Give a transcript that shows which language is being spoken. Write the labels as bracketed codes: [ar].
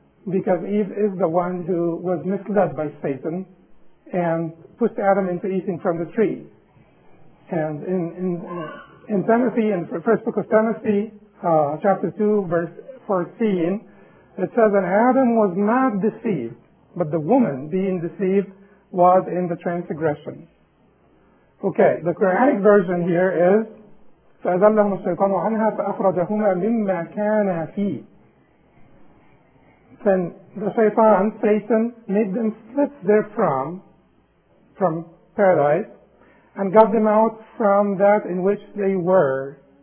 [en] Because Eve is the one who was misled by Satan and pushed Adam into eating from the tree. And in Timothy, in the first book of Timothy, chapter 2, verse 14, it says that Adam was not deceived, but the woman being deceived was in the transgression. Okay, the Quranic version here is, [ar] فَأَذَلَّهُمُ الشَّيْطَانُ عَنْهَا فَأَخْرَجَهُمَا مِمَّا كَانَ فِيهِ. [en] Then the shaitan, Satan, made them slip therefrom, from paradise, and got them out from that in which they were.